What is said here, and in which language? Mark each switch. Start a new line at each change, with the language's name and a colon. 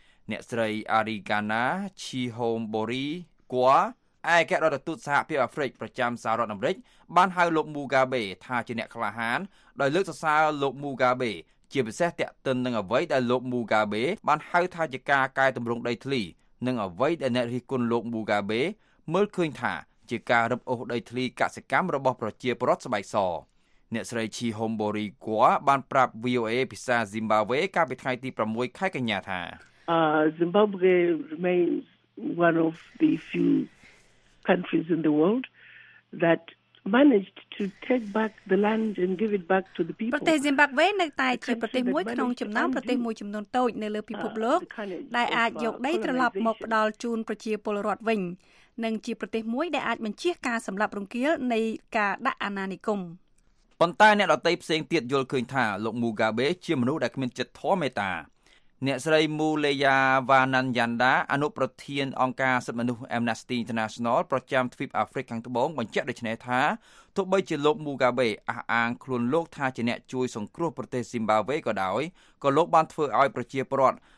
Khmer: អ្នកស្រី Arigana Chihombori Kwa ឯកអគ្គរដ្ឋទូតសហភាពអាហ្វ្រិកប្រចាំសហរដ្ឋអាមេរិកបានហៅលោក Mugabe ថាជាអ្នកក្លាហានដោយលើកសរសើរលោក Mugabe ជាពិសេសតាក់ទិននឹងអ្វីដែលលោក Mugabe បានហៅថាជាការកែតម្រង់ដីធ្លីនិងអ្វីដែលអ្នករិះគន់លោក Mugabe មើលឃើញថាជាការរឹបអូសដីធ្លីកសិកម្មរបស់ប្រជាពលរដ្ឋស្បែកសអ្នកស្រីឈីហុំបូរីគួរបានប្រាប់ VOA ភាសាស៊ីមបាវេកាលពីថ្ងៃទី6ខែកញ្ញាថា
English: Zimbabwe remains one of the few countries in the world that managed to take back the land and give it back to the people
Khmer: ប្រទេស Zimbabwe នៅតែជាប្រទេសមួយក្នុងចំណោមប្រទេសមួយចំនួនតូចនៅលើពិភពលោកដែលអាចយកដីត្រឡប់មកផ្ដល់ជូនប្រជាពលរដ្ឋវិញនឹងជាប្រទេសមួយដែលអាចបញ្ជាការសម្លាប់រង្គាលនៃការដាក់អាណានិគម ប៉ុន្តែអ្នកដតីផ្សេងទៀតយល់ឃើញថាលោក Mugabe ជាមនុស្សដែលគ្មានចិត្តធម៌មេត្តាអ្នកស្រី Muleya Vananyanda អនុប្រធានអង្គការសិទ្ធិមនុស្ស Amnesty International ប្រចាំទ្វីបអាហ្វ្រិកខាងត្បូងបញ្ជាក់ដូចនេះថាទោះបីជាលោក Mugabe អះអាងខ្លួនលោកថាជាអ្នកជួយសង្គ្រោះប្រទេស Zimbabwe ក៏ដោយក៏លោកបានធ្វើឲ្យប្រជាពលរដ្ឋ